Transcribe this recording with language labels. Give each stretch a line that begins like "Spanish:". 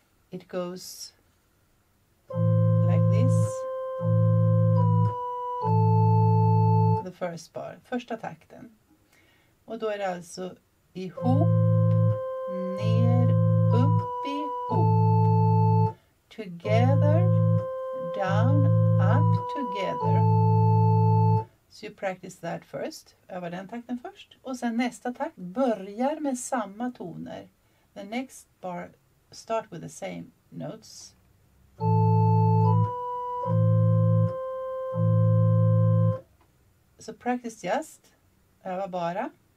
English: It goes like this. The first bar,
Swedish: första takten. Och då är det alltså ihop, ner, upp, ihop.
English: Together, down, up, together. So you practice that first.
Swedish: Öva den takten först. Och sen nästa takt börjar med samma toner.
English: The next bar start with the same notes. So practice just.
Swedish: Öva bara.